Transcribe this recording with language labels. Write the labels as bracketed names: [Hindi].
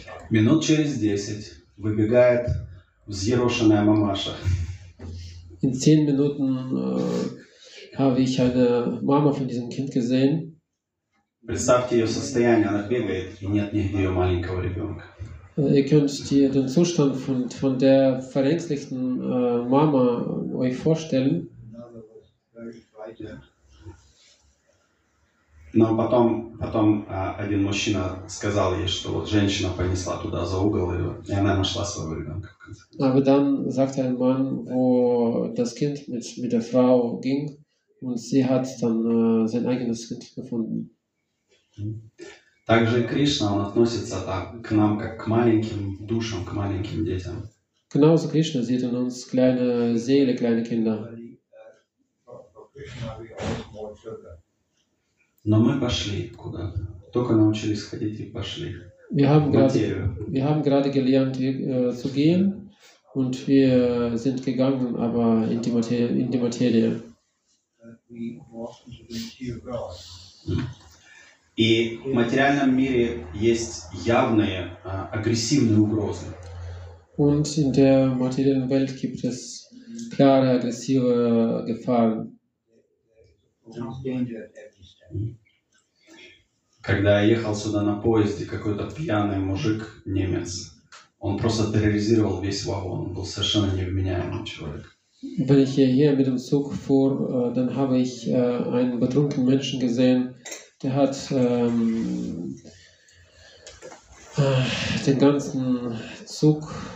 [Russian] Минут через 10 выбегает взъерошенная мамаша. [German] In 10 Minuten habe ich eine Mama von diesem Kind gesehen. [Russian] Представьте ее состояние, она бегает и нет нигде ее маленького ребенка. [German] Ihr könnt dir den Zustand von der verängstigten Mama euch vorstellen. [Russian] Но потом один мужчина сказал ей, что вот женщина понесла туда за угол ее, и она нашла своего ребенка. [German] Aber dann sagte ein Mann, wo das Kind mit der Frau ging, und sie hat dann sein eigenes Kind gefunden. [Russian] Также Кришна, он относится так к нам как к маленьким душам, к маленьким детям. [German] Genauso Krishna sieht in uns kleine Seele, kleine Kinder. [Russian] Но мы пошли куда-то. Только научились ходить и пошли. [German] Wir haben gerade gelernt, zu gehen, und wir sind gegangen, aber in die Materie. In die Materie. [Russian] И в материальном мире есть явные агрессивные угрозы. [German] Und in der materiellen Welt gibt es klare aggressive Gefahren. [Russian] Когда я ехал сюда на поезде, какой-то пьяный мужик, немец, он просто терроризировал весь вагон, он был совершенно невменяемый человек. [German] Wenn ich hier mit dem Zug fuhr, dann habe ich einen betrunkenen Menschen gesehen, der hat den ganzen Zug